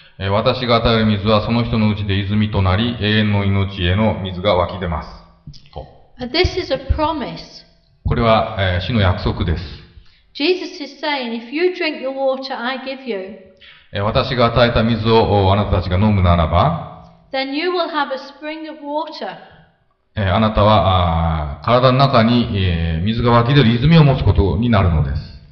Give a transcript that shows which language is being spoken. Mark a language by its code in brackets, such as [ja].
[ja] 私が与える水はその人のうちで泉となり永遠の命への水が湧き出ますと。 [en] This is a promise. [ja] これは、主の約束です。 [en] Jesus is saying, if you drink the water I give you, [ja] 私が与えた水をあなたたちが飲むならば [en] then you will have a spring of water. [ja] あなたは体の中に水が湧き出る泉を持つことになるのです。